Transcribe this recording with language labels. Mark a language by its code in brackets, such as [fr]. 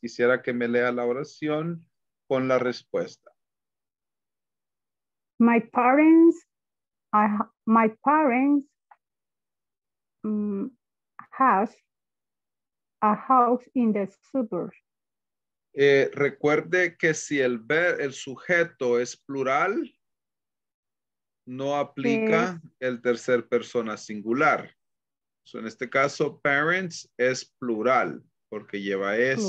[es] Quisiera que me lea la oración con la respuesta. [en] My parents have a house in the suburbs. [es] Recuerde que si el sujeto es plural, no aplica el tercer persona singular. So en este caso, parents es plural, porque lleva S.